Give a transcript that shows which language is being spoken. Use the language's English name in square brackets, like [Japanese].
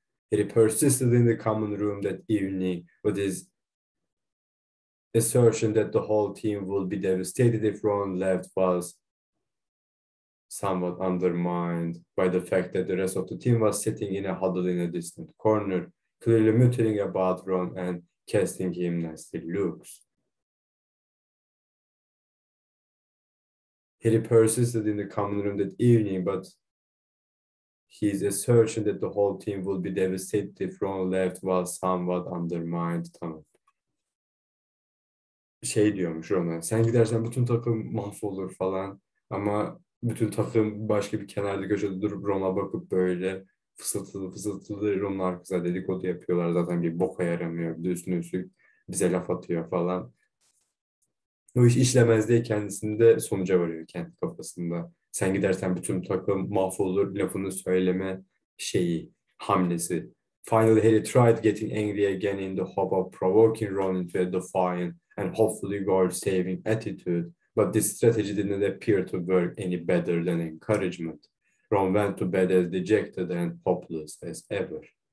[English] Harry persisted in the common room that evening with his assertion that the whole team would be devastated if Ron left was somewhat undermined by the fact that the rest of the team was sitting in a huddle in a distant corner, clearly muttering about Ron and casting him nasty looks. Harry persisted in the common room that evening, but his assertion that the whole team would be devastated if Ron left was somewhat undermined. [Turkish] Tamam. Şey diyormuş Ron'a, sen gidersen bütün takım mahvolur falan. Ama bütün takım başka bir kenarda köşede durup Ron'a bakıp böyle fısıltılı fısıltılı Ron'un arkasında dedikodu yapıyorlar. Zaten bir boka yaramıyor, düzsün üstlük bize laf atıyor falan. O iş işlemez diye kendisinde sonuca varıyor kendi kafasında. Sen gidersen bütün takım mahvolur lafını söyleme şeyi, hamlesi. [English] Finally, Harry tried getting angry again in the hope of provoking Ron into a defiant and hopefully goal-saving attitude. But this strategy didn't appear to work any better than encouragement. Ron went to bed as dejected and hopeless as ever.